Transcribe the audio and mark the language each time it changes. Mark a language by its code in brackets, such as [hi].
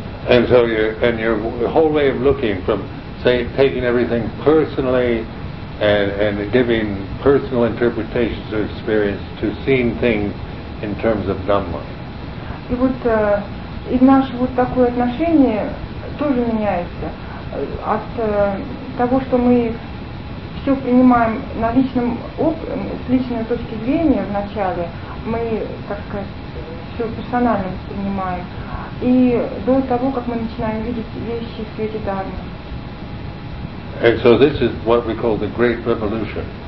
[en] And so your whole way of looking from, say, taking everything personally and giving personal interpretations of experience to seeing things in terms of Dhamma. [ru] И вот и наше вот такое отношение тоже меняется от того, что мы все принимаем на личном с личной точки зрения вначале, мы, так сказать, все персонально воспринимаем, и до того, как мы начинаем видеть вещи в свете Дхармы. [en] And so this is what we call the Great Revolution.